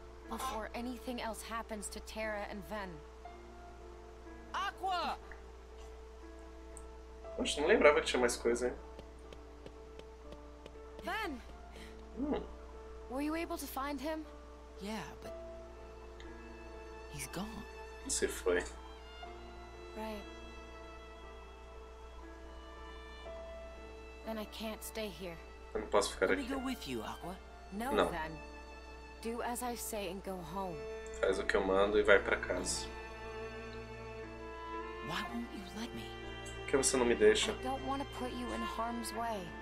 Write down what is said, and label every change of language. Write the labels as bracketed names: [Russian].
[English] Before anything else happens to Terra and Ven. Aqua! [Portuguese] Poxa, não lembrava que tinha mais coisa, hein? [English] Ven! Were you able to find him? Yeah, but he's gone. [Portuguese] Se foi. [English] Right. Then I can't stay here. [Portuguese] Eu não posso ficar aqui. [English] Let me go with you, Aqua. No, Ven. Do as I say and go home. [Portuguese] Faz o que eu mando e vai pra casa. [English] Why won't you let me? [Portuguese] Por que você não me deixa? [English] I don't want to put you in harm's way.